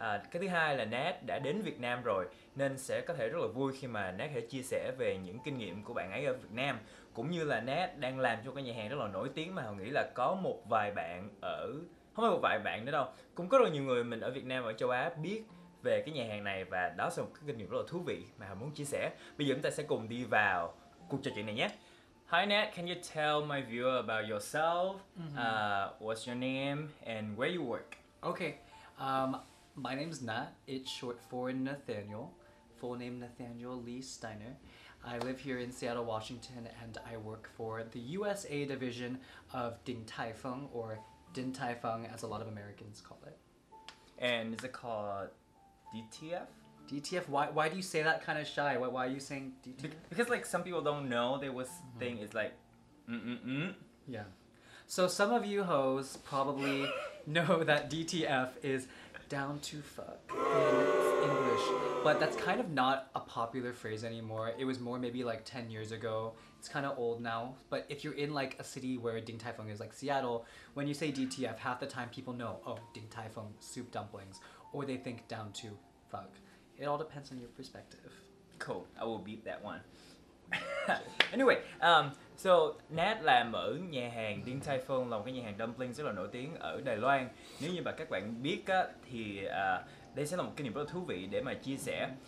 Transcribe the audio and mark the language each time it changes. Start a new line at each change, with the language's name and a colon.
Vietnamese: Cái thứ hai là Nat đã đến Việt Nam rồi, nên sẽ có thể rất là vui khi mà Nat có thể chia sẻ về những kinh nghiệm của bạn ấy ở Việt Nam, cũng như là Nat đang làm cho cái nhà hàng rất là nổi tiếng mà Hào nghĩ là có một vài bạn ở, không phải một vài bạn nữa đâu, cũng có rất nhiều người mình ở Việt Nam và ở châu Á biết về cái nhà hàng này, và đó sẽ là một cái kinh nghiệm rất là thú vị mà Hào muốn chia sẻ. Bây giờ chúng ta sẽ cùng đi vào cuộc trò chuyện này nhé.
English: Hi Nat, can you tell my viewer about yourself? What's your name and where you work? Okay. My name is Nat. It's short for Nathaniel. Full name Nathaniel Lee Steiner. I live here in Seattle, Washington, and I work for the USA division of Din Tai Fung, or Din Tai Fung, as a lot of Americans call it. And is it called DTF? DTF? Why do you say that kind of shy? Why are you saying DTF? Because like some people don't know there was thing is like mm-mm-mm. Yeah. So some of you hoes probably know that DTF is down to fuck in English, but that's kind of not a popular phrase anymore. It was more maybe like 10 years ago. It's kind of old now, but if you're in like a city where Din Tai Fung is like Seattle, when you say DTF, half the time people know, oh, Din Tai Fung, soup dumplings, or they think down to fuck. It all depends on your perspective. Cool, I will beep that one.
Vietnamese: Anyway, so Nat làm ở nhà hàng Din Tai Fung, là một cái nhà hàng dumpling rất là nổi tiếng ở Đài Loan. Nếu như mà các bạn biết á, thì đây sẽ là một kinh nghiệm rất là thú vị để mà chia sẻ.